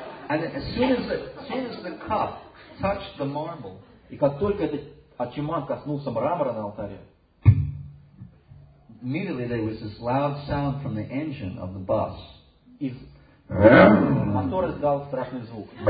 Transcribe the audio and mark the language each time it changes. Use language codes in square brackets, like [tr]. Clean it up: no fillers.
[en] And as soon as the cup touched the marble, [ru] и как только этот очиман коснулся мрамора на алтаре, [en] immediately there was this loud sound from the engine of the bus. [ru] Из мотора издал страшный звук.